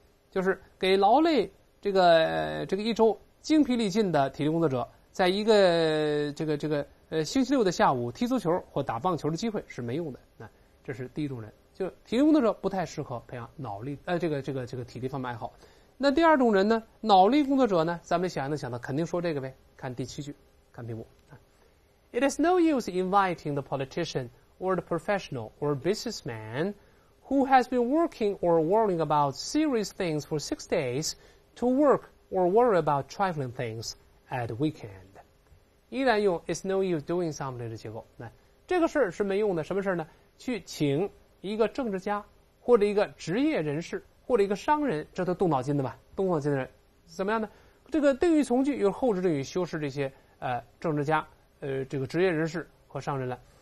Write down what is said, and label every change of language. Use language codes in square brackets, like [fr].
[zh] 就是给劳累这个一周精疲力尽的体力工作者，在一个星期六的下午踢足球或打棒球的机会是没用的。这是第一种人，就体力工作者不太适合培养脑力这个体力方面爱好。那第二种人呢，脑力工作者呢，咱们想一想的肯定说这个呗，看第7句，看屏幕。 [en] It is no use inviting the politician or the professional or businessman who has been working or worrying about serious things for 6 days to work or worry about trifling things at the weekend. [zh] 依然用 [en] it's no use doing something [zh] 的结构。这个事儿是没用的，什么事儿呢？去请一个政治家或者一个职业人士或者一个商人，这都动脑筋的嘛，动脑筋的人怎么样呢？这个定语从句由后置定语修饰这些政治家这个职业人士和商人了。